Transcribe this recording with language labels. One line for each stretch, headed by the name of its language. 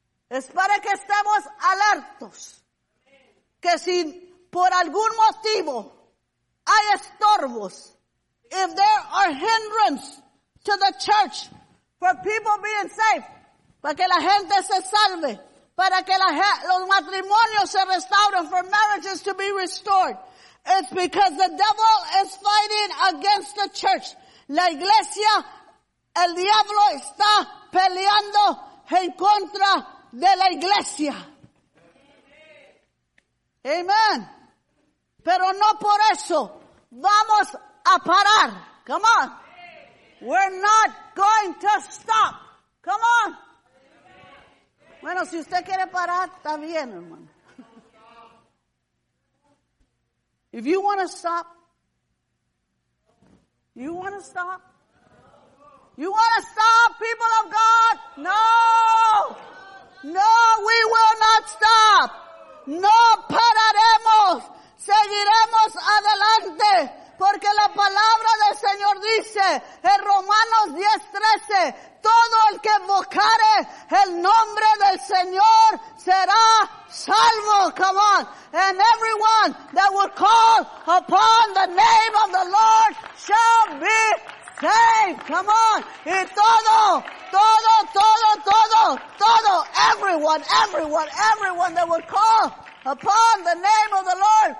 Spanish: Es para que estemos alertos. Que si por algún motivo hay estorbos,
English: if there are hindrances to the church for people being safe,
Spanish: para que la gente se salve, para que los matrimonios se restauren,
English: for marriages to be restored. It's because the devil is fighting against the church.
Spanish: La iglesia, el diablo está peleando en contra de la iglesia. Amen. Pero no por eso vamos a parar.
English: Come on. We're not going to stop. Come on.
Spanish: Bueno, si usted quiere parar, está bien, hermano.
English: If you want to stop, you want to stop? You want to stop, people of God? No! No, we will not stop.
Spanish: No pararemos. Seguiremos adelante. Porque la palabra del Señor dice en Romanos 10:13, todo el que invocare el nombre del Señor será salvo.
English: Come on. And everyone that will call upon the name of the Lord shall be saved. Come on.
Spanish: Y todo,
English: everyone that will call upon the name of the Lord.